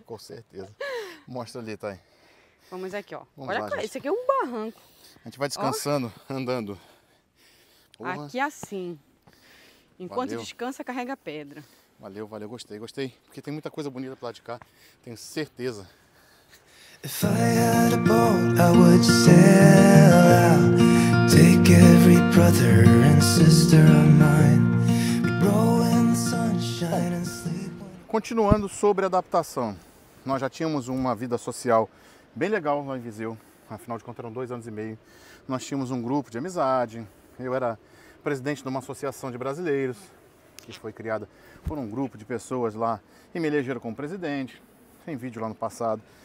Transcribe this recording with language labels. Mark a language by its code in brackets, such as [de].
[pt] Com certeza. Mostra ali, Thay. Vamos aqui, ó. Vamos olha, lá, cara, isso aqui é um barranco. A gente vai descansando, andando. Porra. Aqui assim. Enquanto valeu. Descansa, carrega pedra. Valeu, valeu. Gostei, gostei. Porque tem muita coisa bonita pra lá de cá. Tenho certeza. [en] If I had a boat, I would sail out. Take every brother and sister of mine. Row in the sunshine and sleep. [pt] Continuando sobre adaptação. Nós já tínhamos uma vida social bem legal lá em Viseu. Afinal de contas, eram 2 anos e meio. Nós tínhamos um grupo de amizade. Eu era presidente de uma associação de brasileiros, que foi criada por um grupo de pessoas lá e me elegeram como presidente. Tem vídeo lá no passado.